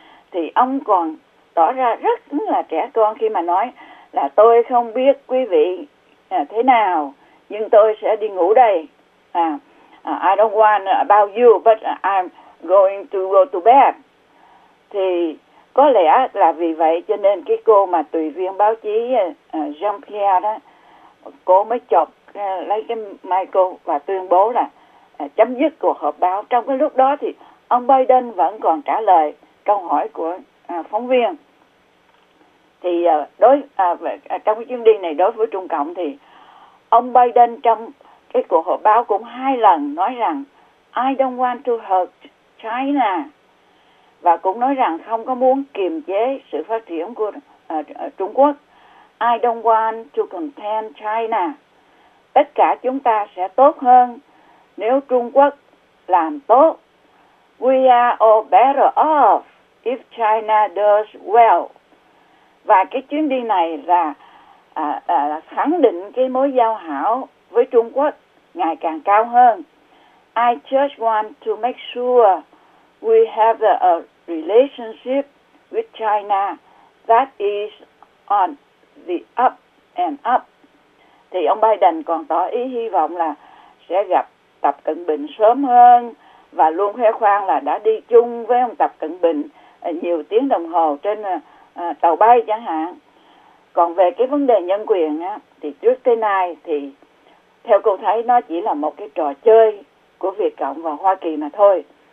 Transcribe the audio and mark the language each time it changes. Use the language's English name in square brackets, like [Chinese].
[Vietnamese] Thì ông còn tỏ ra rất là trẻ con khi mà nói là tôi không biết quý vị thế nào, nhưng tôi sẽ đi ngủ đây. [English] I don't want about you, but I'm going to go to bed. [Vietnamese] Thì có lẽ là vì vậy cho nên cái cô mà tùy viên báo chí Jean-Pierre đó, cô mới chọc lấy cái micro và tuyên bố là chấm dứt cuộc họp báo. Trong cái lúc đó thì ông Biden vẫn còn trả lời câu hỏi của phóng viên. Thì trong cái chuyến đi này đối với Trung Cộng thì ông Biden trong cái cuộc họp báo cũng hai lần nói rằng [English] I don't want to hurt China. [Vietnamese] Và cũng nói rằng không có muốn kiềm chế sự phát triển của Trung Quốc. [English] I don't want to contain China. [Vietnamese] Tất cả chúng ta sẽ tốt hơn nếu Trung Quốc làm tốt. [English] We are all better off if China does well. [Vietnamese] Và cái chuyến đi này là khẳng định cái mối giao hảo với Trung Quốc ngày càng cao hơn. [English] I just want to make sure we have a relationship with China that is on the up and up. [Vietnamese] Thì ông Biden còn tỏ ý hy vọng là sẽ gặp Tập Cận Bình sớm hơn và luôn khoe khoang là đã đi chung với ông Tập Cận Bình nhiều tiếng đồng hồ trên tàu bay chẳng hạn. Còn về cái vấn đề nhân quyền á, thì trước tới nay thì theo cô thấy nó chỉ là một cái trò chơi của Việt Cộng và Hoa Kỳ mà thôi.